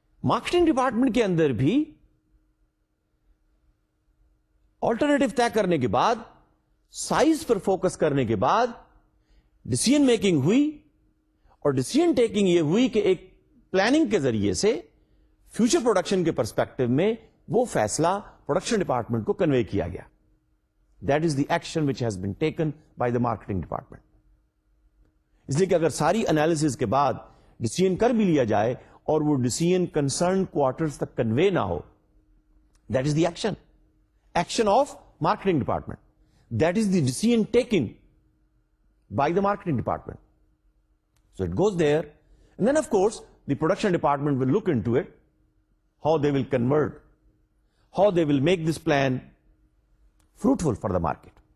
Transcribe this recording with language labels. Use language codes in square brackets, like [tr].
[ur] Marketing department کے اندر بھی alternative طے کرنے کے بعد, سائز پر فوکس کرنے کے بعد ڈیسیژن میکنگ ہوئی, اور ڈیسیژن ٹیکنگ یہ ہوئی کہ ایک پلاننگ کے ذریعے سے فیوچر پروڈکشن کے پرسپیکٹو میں وہ فیصلہ پروڈکشن ڈپارٹمنٹ کو کنوے کیا گیا. [en] That is the action which has been taken by the marketing department. [ur] اس لیے کہ اگر ساری انالیسز کے بعد ڈیسیژن کر بھی لیا جائے اور وہ ڈیسیژن کنسرن کوارٹرز تک کنوے نہ ہو, [en] That is the action, action of marketing department. That is the decision taken by the marketing department. So it goes there. And then of course, the production department will look into it. How they will convert. How they will make this plan fruitful for the market.